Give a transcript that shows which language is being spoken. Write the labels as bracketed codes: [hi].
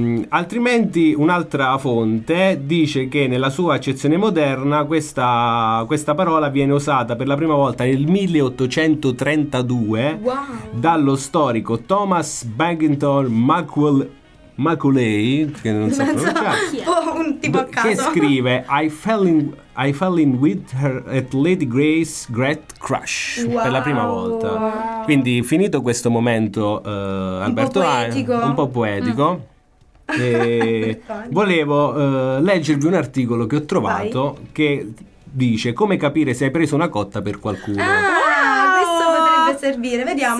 [it] Altrimenti un'altra fonte dice che nella sua accezione moderna questa parola viene usata per la prima volta nel 1832 wow. Dallo storico Thomas Baginton Macaulay, che non so pronunciare, un tipo a caso, che scrive [en] I fell in with her at Lady Grace's great crush wow. [it] Per la prima volta. Quindi finito questo momento Alberto un po' poetico E volevo leggervi un articolo che ho trovato. Vai. Che dice come capire se hai preso una cotta per qualcuno. Wow. Questo potrebbe servire, vediamo